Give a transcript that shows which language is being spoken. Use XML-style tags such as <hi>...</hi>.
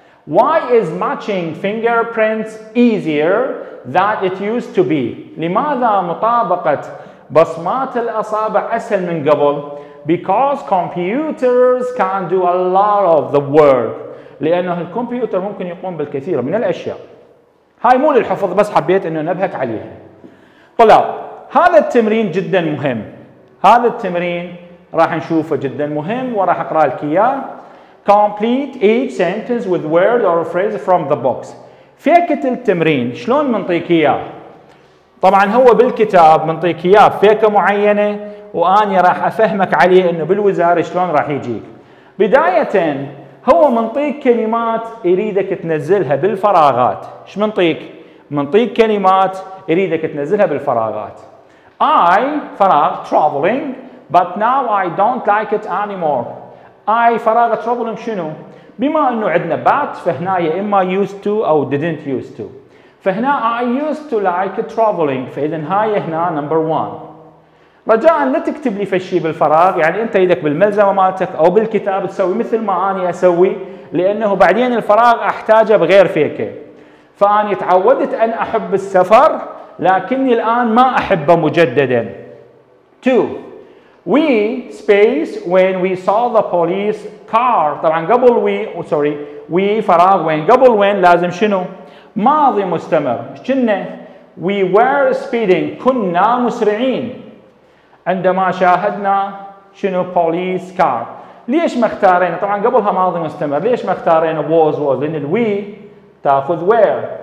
<en>Why is matching fingerprints easier than it used to be؟</en> <ar>لماذا مطابقة بصمات الأصابع أسهل من قبل؟</ar> <en>Because computers can do a lot of the work.</en> <ar>لأنه الكمبيوتر ممكن يقوم بالكثير من الأشياء. هاي مو للحفظ بس حبيت إنه نبهك عليها. طلاب هذا التمرين جدا مهم. هذا التمرين راح نشوفه جدا مهم وراح اقرا لك اياه.</ar> <en>Complete each sentence with word or phrase from the box.</en> <ar>فيكه التمرين شلون منطيك اياه؟ طبعا هو بالكتاب منطيك اياه فيكه معينه واني راح افهمك عليه انه بالوزاره شلون راح يجيك. بدايه هو منطيك كلمات يريدك تنزلها بالفراغات. ايش منطيك؟ منطيك كلمات يريدك تنزلها بالفراغات.</ar> <en>I فراغ traveling but now I don't like it anymore.</en> <ar>I فراغ traveling شنو؟ بما انه عندنا but فهنا يا اما used to او</ar> <en>didn't used to. فهنا I used to like traveling</en> <ar>فاذا هاي هنا</ar> <en>number one.</en> <ar>رجاء لا تكتب لي فشي بالفراغ يعني انت ايدك بالملزمه مالتك او بالكتاب تسوي مثل ما انا اسوي لانه بعدين الفراغ احتاجه بغير فيك. فاني تعودت ان احب السفر لكني الآن ما أحبه مجدداً. 2.</ar> <en>We space when we saw the police car.</en> <ar>طبعاً قبل we sorry we فراغ when قبل when لازم شنو؟ ماضي مستمر. شنو؟</ar> <en>We were speeding.</en> <ar>كنا مسرعين. عندما شاهدنا شنو police car. ليش مختارين؟ طبعاً قبلها ماضي مستمر. ليش مختارين was لأن we تأخذ where.</ar>